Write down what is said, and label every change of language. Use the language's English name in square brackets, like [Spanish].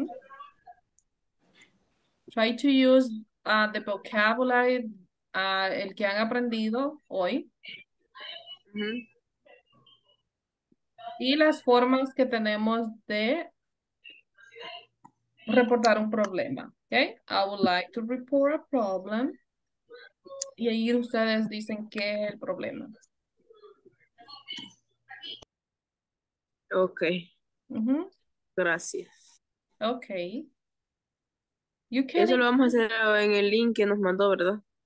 [English] Mm-hmm. Try to use the vocabulary [Spanish] el que han aprendido hoy. Mm-hmm. Y las formas que tenemos de reportar un problema. [English] Okay, I would like to report a problem. [Spanish] Y ahí ustedes dicen qué es el problema. [English] Okay. Mm-hmm. [Spanish] Gracias. [English] Okay. You can. [Spanish] Eso lo vamos a hacer en el link que nos mandó, ¿verdad?